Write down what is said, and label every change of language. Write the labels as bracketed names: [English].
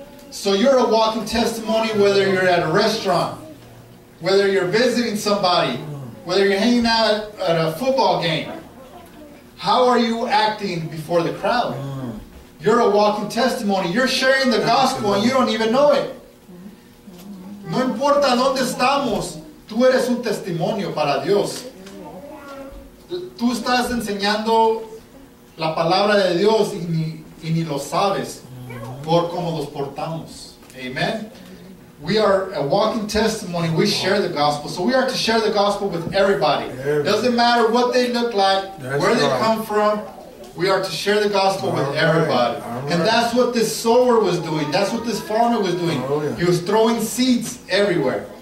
[English] So you're a walking testimony whether you're at a restaurant, whether you're visiting somebody, whether you're hanging out at a football game, how are you acting before the crowd? You're a walking testimony. You're sharing the gospel and you don't even know it. [Spanish] No importa dónde estamos, tú eres un testimonio para Dios. Tú estás enseñando la palabra de Dios y ni lo sabes por cómo nos portamos. [English] Amen. We are a walking testimony. We share the gospel. So we are to share the gospel with everybody. Doesn't matter what they look like, where they come from. We are to share the gospel with everybody. Right. And that's what this sower was doing. That's what this farmer was doing. Oh, yeah. He was throwing seeds everywhere.